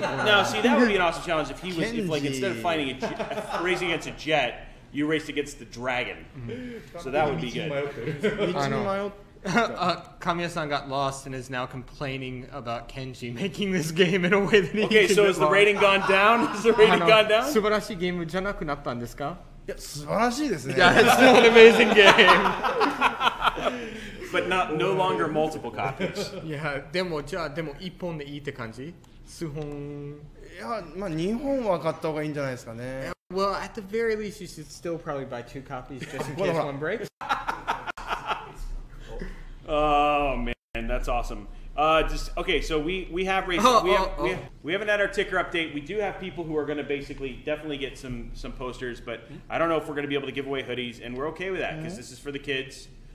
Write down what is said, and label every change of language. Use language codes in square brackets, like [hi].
[en] No, see, that would be an awesome challenge if he was if, like instead of fighting a racing against a jet, you race against the dragon. So that would be good. I know. Kamiya-san got lost and is now complaining about Kenji making this game in a way that he okay, so has the rating gone down? Has the rating gone down? [ja] 素晴らしいゲームじゃなくなったんですか? いや、素晴らしいですね。 [en] It's still an amazing game. But not no longer multiple copies. [ja] でも、じゃあ、でも一本でいいって感じ? 数本… いや、まあ、2本は買った方がいいんじゃないですかね。 [en] Well, at the very least, you should still probably buy two copies just in case one breaks. Oh man, that's awesome. Just okay, so we have races. We haven't had our ticker update. We do have people who are going to basically definitely get some posters, but I don't know if we're going to be able to give away hoodies, and we're okay with that because this is for the kids.